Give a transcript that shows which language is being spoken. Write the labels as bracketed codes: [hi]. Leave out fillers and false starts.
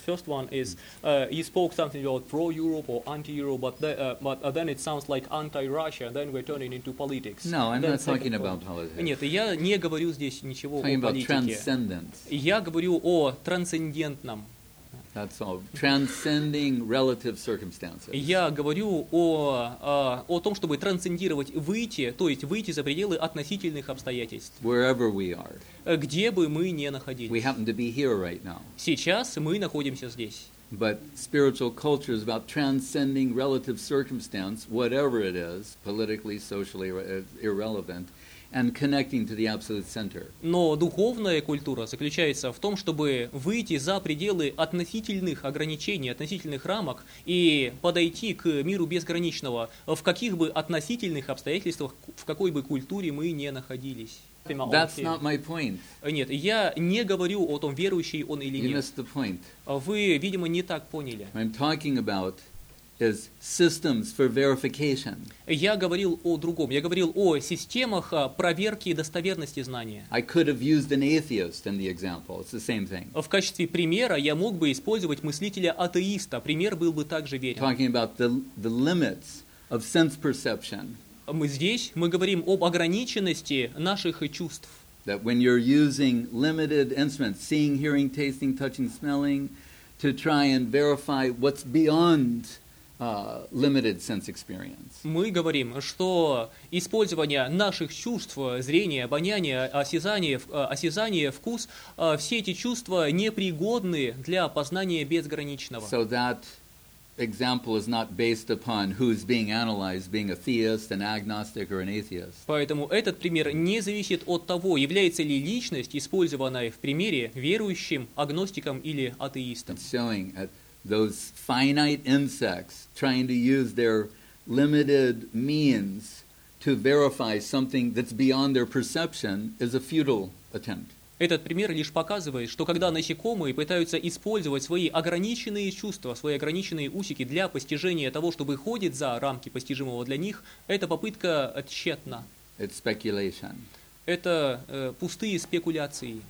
[en] First one is you spoke something about pro-Europe or anti-Europe, but then it sounds like anti-Russia, then we're turning into politics. No, I'm then not talking point. About politics. [ru] Нет, я не говорю здесь ничего [en] talking [ru] о политике. [en] About transcendence. [ru] Я говорю о трансцендентном. [en] That's all. Transcending relative circumstances. [ru] Я говорю о том, чтобы трансцендировать, выйти, то есть выйти за пределы относительных обстоятельств. [en] Wherever we are. [ru] Где бы мы ни находились. [en] We happen to be here right now. [ru] Сейчас мы находимся здесь. [en] But spiritual culture is about transcending relative circumstance, whatever it is, politically, socially, irrelevant. And connecting to the absolute center. [ru] Но духовная культура заключается в том, чтобы выйти за пределы относительных ограничений, относительных рамок и подойти к миру безграничного в каких бы относительных обстоятельствах, в какой бы культуре мы ни находились. [en] That's not my point. [ru] Нет, я не говорю о том, верующий он или нет. [en] You missed the point. [ru] Вы, видимо, не так поняли. [en] I'm talking about is systems for verification. [ru] Я говорил о другом. Я говорил о системах проверки достоверности знания. [en] I could have used an atheist in the example. It's the same thing. [ru] В качестве примера я мог бы использовать мыслителя атеиста. Пример был бы также верен. [en] Talking about the limits of sense perception. [ru] Мы здесь мы говорим об ограниченности наших чувств. [en] That when you're using limited instruments, seeing, hearing, tasting, touching, smelling, to try and verify what's beyond limited sense experience. [ru] Мы говорим, что использование наших чувств, зрения, обоняния, осязания, вкус, все эти чувства непригодны для познания безграничного. [en] So that example is not based upon who's being analyzed, being a theist, an agnostic, or an atheist. [ru] Поэтому этот пример не зависит от того, является ли личность, использованная в примере, верующим, агностиком или атеистом. [en] It's showing that those finite insects trying to use their limited means to verify something that's beyond their perception is a futile attempt. [ru] Этот пример лишь показывает, что когда насекомые пытаются использовать свои ограниченные чувства, свои ограниченные усики для постижения того, что выходит за рамки постижимого для них, эта попытка тщетна. [en] It's speculation. [ru] Это пустые спекуляции.